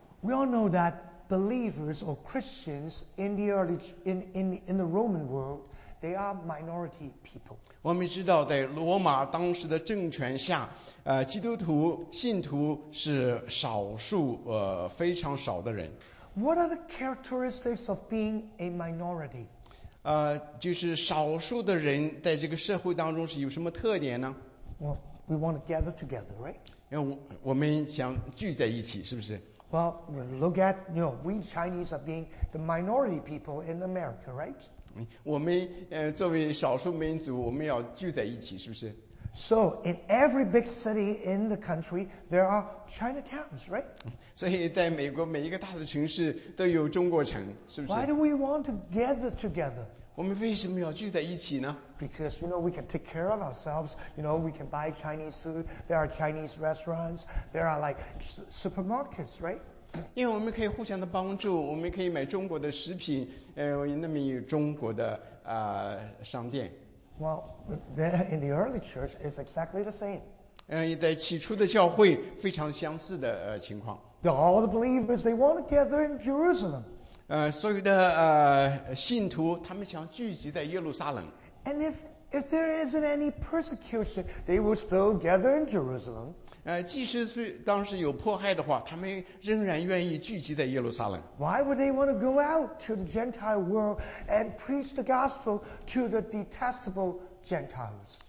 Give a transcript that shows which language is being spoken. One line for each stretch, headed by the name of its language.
English: We all know that believers or Christians in the Roman world, they are minority people.
Chinese: 我们知道在罗马当时的政权下，基督徒信徒是少数，非常少的人。
English: What are the characteristics of being a minority?
Chinese: 就是少数的人在这个社会当中是有什么特点呢？
English: Well, we want to gather together, right?
Chinese: 我们想聚在一起，是不是？
English: Well, we look at, you know, we Chinese are being the minority people in America, right?
Chinese: 我们作为少数民族，我们要聚在一起，是不是？
English: So in every big city in the country, there are Chinatowns, right?
Chinese: 所以在美国每一个大的城市都有中国城，是不是？
English: Why do we want to gather together?
Chinese: 我们为什么要聚在一起呢？
English: Because, you know, we can take care of ourselves. You know, we can buy Chinese food. There are Chinese restaurants. There are like supermarkets, right?
Chinese: 因为我们可以互相的帮助，我们可以买中国的食品，那么有中国的商店。
English: Well, in the early church, it's exactly the same.
Chinese: 在起初的教会非常相似的情况。
English: All the believers, they want to gather in Jerusalem.
Chinese: 所有的信徒他们想聚集在耶路撒冷。
English: And if there isn't any persecution, they will still gather in Jerusalem.
Chinese: 即使当时有迫害的话，他们仍然愿意聚集在耶路撒冷。
English: Why would they want to go out to the Gentile world and preach the gospel to the detestable Gentiles?